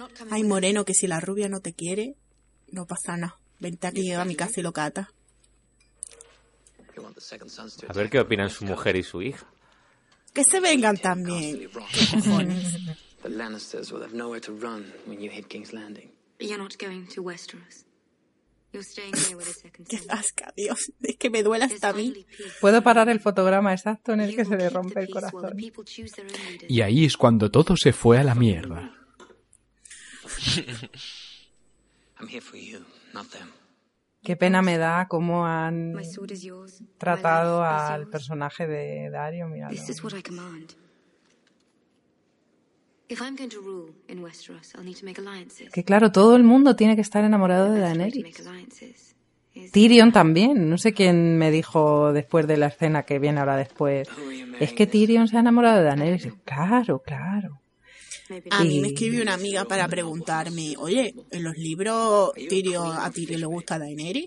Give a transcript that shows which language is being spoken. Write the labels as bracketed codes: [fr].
[es] Ay, Moreno, que si la rubia no te quiere, no pasa nada. Vente aquí a mi casa y lo cata. A ver qué opinan su mujer y su hija. Que se vengan también. [en] The Lannisters will have nowhere to run when you hit King's Landing. You're not going to Westeros. You're staying here with a second son. [es] Qué asca, Dios. Es que me duele hasta a mí. Puedo parar el fotograma exacto en el que se le rompe el corazón. Y ahí es cuando todo se fue a la mierda. [en] I'm here for you, not them. [es] Qué pena me da cómo han tratado al personaje de Daario, míralo. [en] This is what I command. If I'm going to rule in Westeros, I'll need to make alliances. [es] Que claro, todo el mundo tiene que estar enamorado de Daenerys. Tyrion también. No sé quién me dijo después de la escena que viene ahora después. Es que Tyrion se ha enamorado de Daenerys. Claro, claro. A mí me escribió una amiga para preguntarme, oye, ¿en los libros Tyrion a ti le gusta Daenerys?